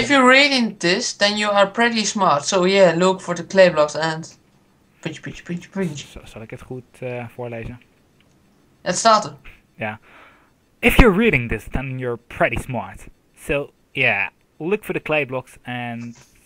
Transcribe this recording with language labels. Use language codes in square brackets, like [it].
[en] if you're reading this, then you are pretty smart. So yeah, look for the clay blocks and... [nl] Puntje, puntje, puntje, puntje. Zal ik het goed voorlezen? Het staat er. Ja. [en] If you're reading this, then you're pretty smart. So yeah, look for the clay blocks and...